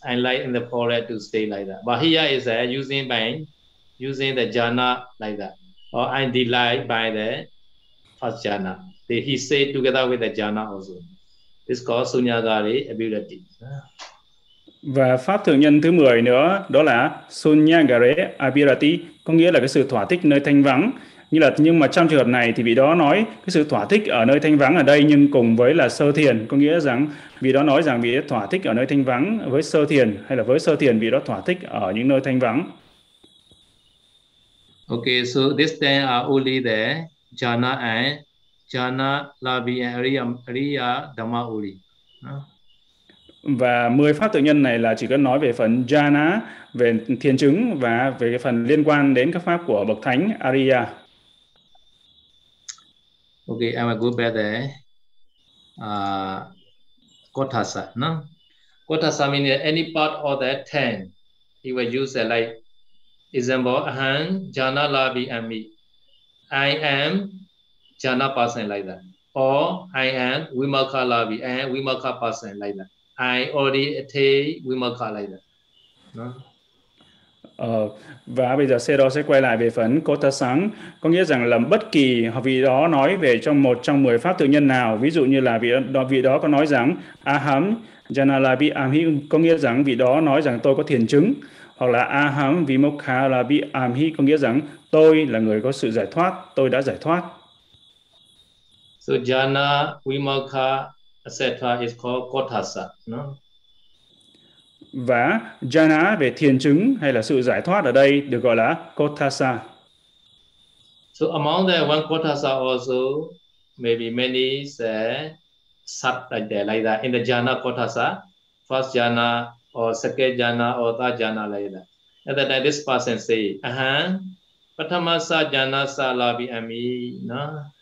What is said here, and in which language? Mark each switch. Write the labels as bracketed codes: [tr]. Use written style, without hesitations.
[en] I like in the forest to stay like that. But here is using the jhana like that. Or I delight by the first jhana. He said together with the jhana also. It's called sunyagari ability. [vi] Và pháp thượng nhân thứ 10 nữa đó là Sunyagare Abirati, có nghĩa là cái sự thỏa thích nơi thanh vắng. Như là nhưng mà trong trường hợp này thì vị đó nói cái sự thỏa thích ở nơi thanh vắng ở đây nhưng cùng với là sơ thiền, có nghĩa rằng vị đó nói rằng vị đó thỏa thích ở nơi thanh vắng với sơ thiền, hay là với sơ thiền vị đó thỏa thích ở những nơi thanh vắng. [en] Okay, so this day are only the jhana and jhana labhi and riya dhamma only. [vi] Và 10 pháp tự nhân này là chỉ có nói về phần jhana, về thiền chứng và về cái phần liên quan đến các pháp của bậc thánh Ariya. [en] Okay, I'm a good brother. Kothasa, no? Kothasa means any part of the 10. He will use like example, aham, jhana, labhi, and me. I am jhana person like that. Or I am vimokha labhi and vimokha person like that. I already attain vimokha like that. No? [vi] Và bây giờ Sero sẽ quay lại về phần Kothasang. Có nghĩa rằng là bất kỳ vị đó nói về trong một trong 10 pháp tự nhân nào, ví dụ như là vị đó có nói rằng [pi] aham, jhana, labhi, ami, [vi] có nghĩa rằng vị đó nói rằng tôi có thiền chứng. Hoặc là [pi] aham vimokha labhi amhi, [vi] có nghĩa rằng tôi là người có sự giải thoát, tôi đã giải thoát. [en] So jhana, vimokha, etc. is called kothasa, no? [vi] Và jhana về thiền chứng hay là sự giải thoát ở đây được gọi là kothasa. [en] So among the one kothasa also, maybe many say satta like that. In the jhana kothasa, first jhana, or second jhana, or third jhana like that. At that time, this person say, [pi] aham, patthama sa jhana sa labhi ami, [en] no?